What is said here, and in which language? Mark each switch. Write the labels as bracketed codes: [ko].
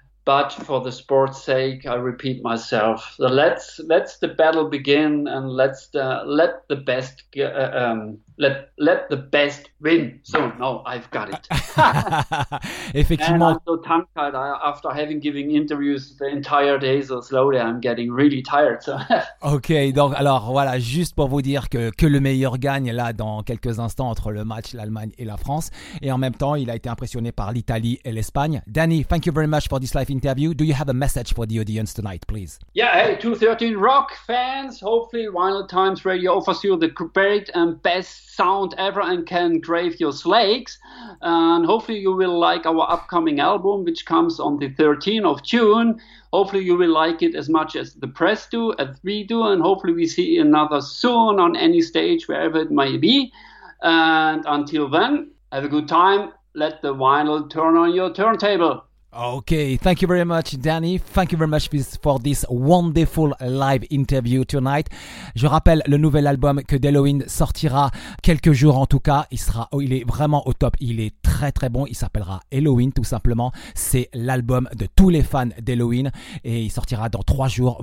[en] But for the sport's sake, I repeat myself: so let's the battle begin, and let the best win. So no, I've got it. [fr] Effectivement. [en] And I'm so tongue-tied after having given interviews the entire day. So slowly, I'm getting really tired. So. [fr] Ok, donc alors voilà, juste pour vous dire que le meilleur gagne là dans quelques instants entre le match l'Allemagne et la France, et en même temps il a été impressionné par l'Italie et l'Espagne. [en] Danny, thank you very much for this live interview. Do you have a message for the audience tonight, please? Yeah, hey, 213 Rock fans, hopefully Vinyl Times Radio offers you the great and best sound ever and can grave your slakes. And hopefully you will like our upcoming album, which comes on the 13th of June. Hopefully you will like it as much as the press do, as we do. And hopefully we see another soon on any stage, wherever it may be. And until then, have a good time. Let the vinyl turn on your turntable. Okay, thank you very much, Danny. Thank you very much for this wonderful live interview tonight. [fr] Je rappelle le nouvel album que d'Helloween sortira quelques jours en tout cas. Il est vraiment au top. Il est très très bon. Il s'appellera Helloween tout simplement. C'est l'album de tous les fans d'Helloween et il sortira dans 3 jours.